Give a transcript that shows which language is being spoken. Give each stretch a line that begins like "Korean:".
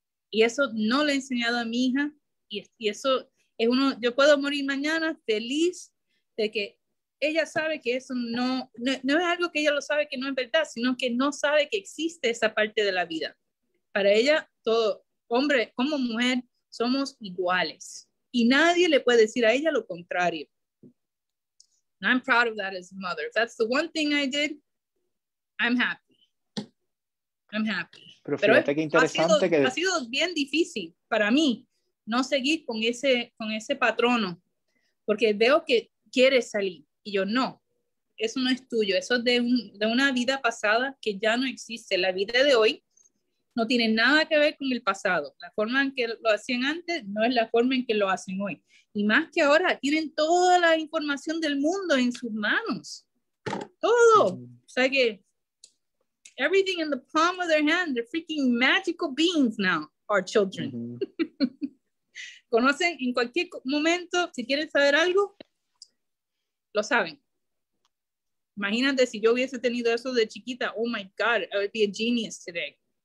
Spanish: Y eso no le he enseñado a mi hija. Y eso es uno, yo puedo morir mañana feliz de que ella sabe que eso no es algo que ella lo sabe que no es verdad, sino que no sabe que existe esa parte de la vida. Para ella, todo hombre como mujer somos iguales. Y nadie le puede decir a ella lo contrario.
English: And I'm proud of that as a mother. If that's the one thing I did, I'm happy. I'm happy.
Spanish: Pero fíjate qué interesante ha sido, ha sido bien difícil para mí no seguir con ese patrono. Porque veo que quiere salir. Y yo, no, eso no es tuyo. Eso es de una vida pasada que ya no existe. La vida de hoy no tiene nada que ver con el pasado. La forma en que lo hacían antes no es la forma en que lo hacen hoy. Y más que ahora, tienen toda la información del mundo en sus manos. Todo. O sea que,
English: everything in the palm of their hand, they're freaking magical beings now, our children.
Spanish: Conocen en cualquier momento, si quieren saber algo, lo saben. Imagínate si yo hubiese tenido eso de chiquita.
English: Oh my God, I would be a genius today.